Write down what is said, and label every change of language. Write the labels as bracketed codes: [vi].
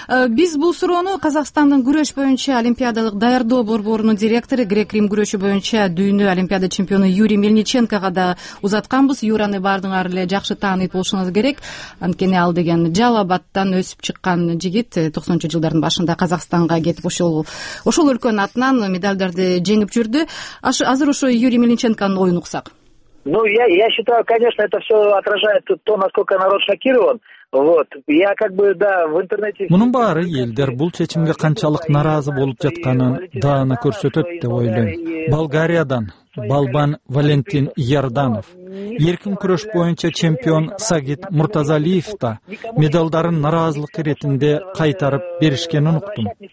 [ky] Биз бул суроону Казакстандын күрөш боюнча олимпиадалык даярдоо борборунун директору, грек рим күрөшү боюнча дүйнө олимпиада чемпиону Юрий Мельниченкога да узатканбыз. Юраны баардыгыңар эле жакшы тааныйт болушуңуз керек, анткени ал деген Жалал Абаддан өсүп чыккан жигит, 90-жылдардын башында Казакстанга кетип ошол өлкөнүн атынан медалдарды жеңип жүрдү. Азыр ошо Юрий Мельниченконун оюн уксак. [ru] Ну, я считаю, конечно, это все отражает то, насколько народ шокирован. [ky] Мунун баары элдер бул чечимге канчалык нааразы болуп жатканын даана көрсөтөт деп ойлойм. Болгариядан балбан Валентин Ярданов, эркин күрөш боюнча чемпион Сагит Муртазалиев да медалдарын нааразылык иретинде кайтарып беришкенин уктум.